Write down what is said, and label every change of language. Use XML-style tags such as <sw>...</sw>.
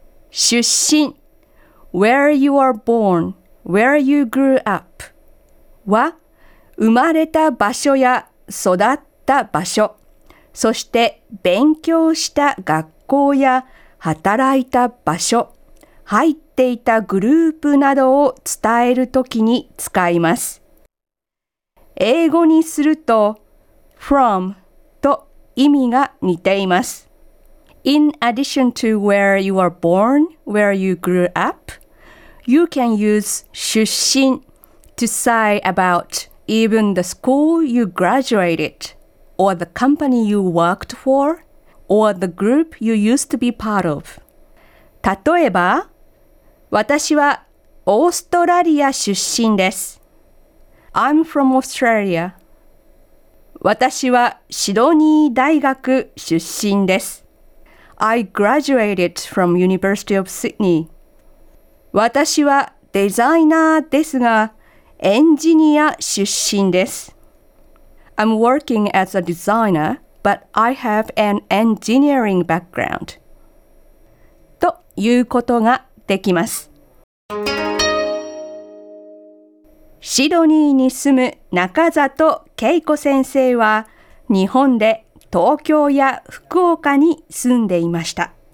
<ja>出身、</ja> <en>where you are born, where you grew up</en> <ja>は生まれた場所や育った場所、そして勉強した学校や働いた場所、入っていたグループなどを伝えるときに使います。英語にすると from と意味が似ています。</ja> <en>In addition to where you are born, where you grew up, you can use 出身 to say about even the school you graduated, or the company you worked for, or the group you used to be part of.</en> <ja>例えば、私はオーストラリア出身です。</ja> <en>I'm from Australia.</en> <ja>私はシドニー大学出身です。</ja> <en>I graduated from University of Sydney.</en> <ja>私はデザイナーですが、エンジニア出身です。</ja> <en>I'm working as a designer, but I have an engineering background.</en> <ja>ということができます。シドニーに住む中里恵子先生は、日本で東京や福岡に住んでいました。</ja>